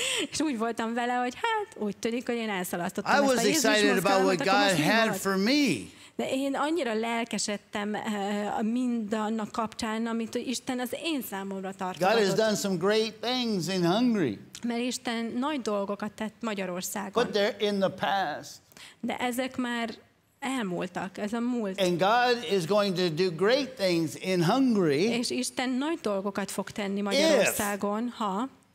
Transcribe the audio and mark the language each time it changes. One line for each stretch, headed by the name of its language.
Hungarian: És úgy voltam vele, hogy hát úgy tűnik, hogy én elszalasztottam.
English: I was excited about what God had for me.
Hungarian: De én annyira lelkesedtem mindannak kapcsán, amit Isten az én számomra tartogatott.
English: God has done some great things in Hungary.
Hungarian: Mert Isten nagy dolgokat tett Magyarországon.
English: But they're in the past.
Hungarian: De ezek már elmúltak, ez a múlt.
English: And God is going to do great things in Hungary.
Hungarian: És Isten nagy dolgokat fog tenni Magyarországon, ha